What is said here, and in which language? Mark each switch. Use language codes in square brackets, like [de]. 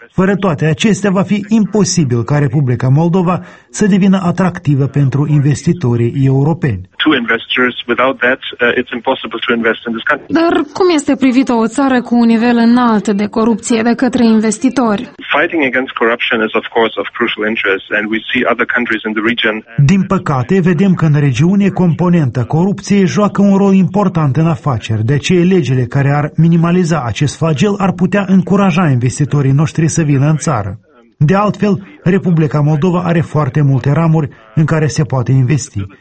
[ro] Fără toate acestea, va fi imposibil ca Republica Moldova să devină atractivă pentru investitorii europeni. Dar cum este privită o țară cu un nivel înalt de corupție de către investitori? [en] Fighting against corruption is of course of crucial interest and we see other countries in the region. [ro] Din păcate, vedem că în regiune componenta corupției joacă un rol important în afaceri, de aceea legile care ar minimaliza acest flagel ar putea încuraja investitorii noștri să vină în țară. De altfel, Republica Moldova are foarte multe ramuri în care se poate investi.